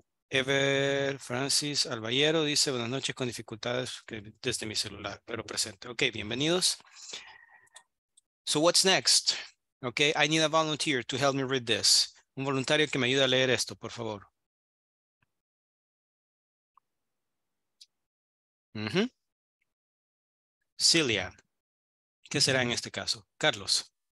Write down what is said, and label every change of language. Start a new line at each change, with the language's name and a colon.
Spanish: Ever Francis Alvallero dice buenas noches con dificultades desde mi celular, pero presente.
English: Ok,
Spanish: bienvenidos.
English: So what's next? Okay, I need a volunteer to help me read this.
Spanish: Un voluntario que me ayude a leer esto, por favor. Mm-hmm. Celia. ¿Qué será en este caso? Carlos.